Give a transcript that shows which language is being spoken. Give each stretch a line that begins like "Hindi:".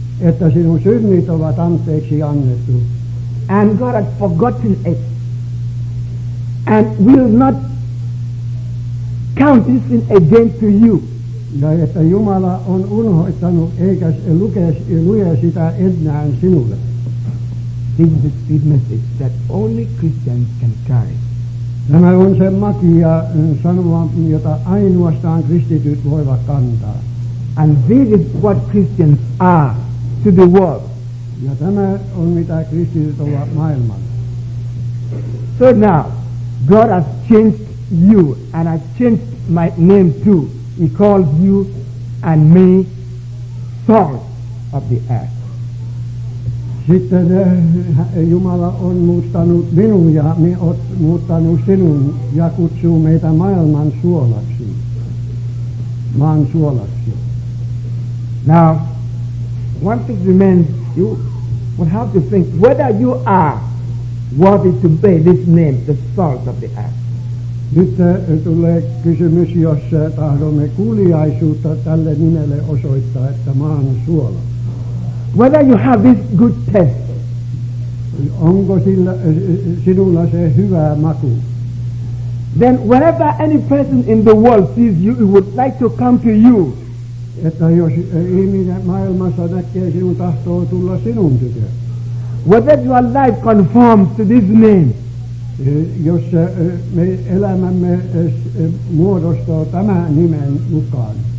Finnish: Että sinun synnit ovat anteeksi annettu.
English: And God has forgotten it. And will not count this sin again to you.
Finnish: Ja että Jumala on unohtanut, eikä lue sitä enää sinulle.
English: This is the sweet message that only Christians can carry.
Finnish: Tämä on se makia sanoma, jota ainoastaan kristityt voivat kantaa.
English: And this is what Christians are to the world.
Finnish: Ja tämä on mitä kristityt ovat maailmalle.
English: So now, God has changed you and has changed my name too. He calls you and me salt of the earth.
Finnish: Sitten Jumala on muuttanut minun ja olet muuttanut sinun ja kutsuu meitä maailman suolaksi. Maan suolaksi.
English: Now, one thing remains, you will have to think whether you are worthy to bear this name, the salt of the earth.
Finnish: Nyt tulee kysymys, jos tahdomme kuuliaisuutta tälle nimelle osoittaa, että maan suola.
English: Whether you have this good test.
Finnish: Onko sinulla se hyvä maku?
English: Then whenever any person in the world sees you, he would like to come to you.
Finnish: Että jos ihminen maailmassa näkee sinun, tahtoo tulla sinun tykö.
English: Whether your life conforms to this name.
Finnish: Jos me elämämme muodostuu tämän nimen mukaan.